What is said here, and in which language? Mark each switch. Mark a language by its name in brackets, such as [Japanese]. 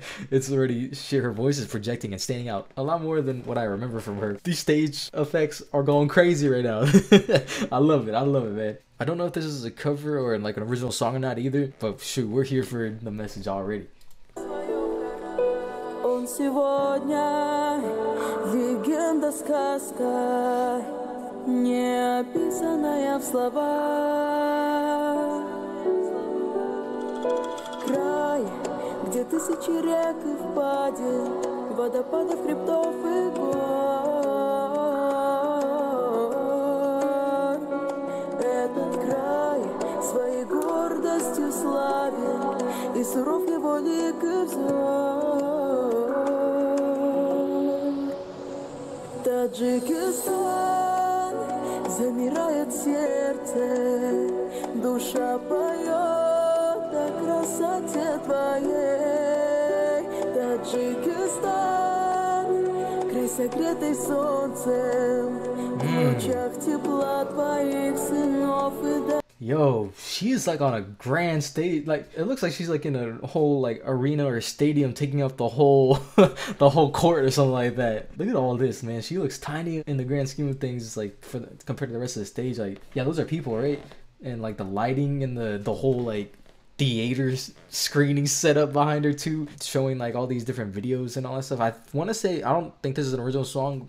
[English] It's already sheer, her voice is projecting and standing out a lot more than what I remember from her. These stage effects are going crazy right now. I love it, man. I don't know if this is a cover or in like an original song or not either, but shoot, we're here for the message already. [Russian] Сегодня легенда, сказка, не описанная в словах. Край, где тысячи рек и впадин, водопадов, хребтов и гор. Этот край своей гордостью славен, и суров его лик и взор. Таджикистан, замирает сердце, душа поет о красоте твоей. Таджикистан, край согретый солнцем, в лучах тепла твоих сынов и дочерей. [English] Yo, she's like on a grand stage. Like, it looks like she's like in a whole like arena or stadium, taking up the whole the whole court or something like that. Look at all this, man. She looks tiny in the grand scheme of things, like for the, compared to the rest of the stage. Like, yeah, those are people, right? And like the lighting and the whole like theater screening setup behind her too, showing like all these different videos and all that stuff. I want to say, I don't think this is an original song.